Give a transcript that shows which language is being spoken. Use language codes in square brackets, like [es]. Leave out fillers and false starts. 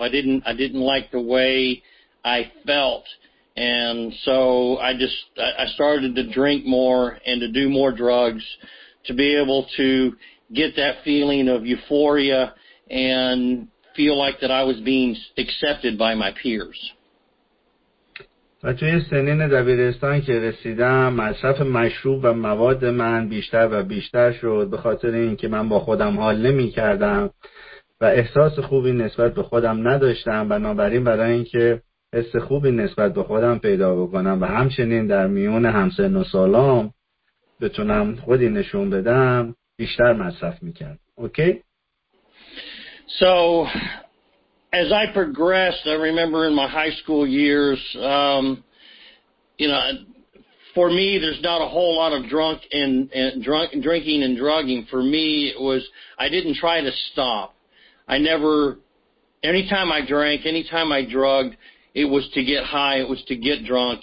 [en] I didn't like the way I felt. And so I started to drink more and to do more drugs to be able to get that feeling of euphoria and feel like that I was being accepted by my peers. [fa] و توی سنین دبیرستان که رسیدم مصرف مشروب و مواد من بیشتر و بیشتر شد به خاطر اینکه من با خودم حال نمی کردم و احساس خوبی نسبت به خودم نداشتم، بنابراین برای اینکه حس خوبی نسبت به خودم پیدا بکنم و همچنین در میون همسن و سالام بتونم خودی نشون بدم بیشتر مصرف می کردم. [en] Okay? So as I progressed, I remember in my high school years, you know, for me, there's not a whole lot of drinking and drugging. For me, it was, I didn't try to stop. Anytime I drank, anytime I drugged, it was to get high, it was to get drunk.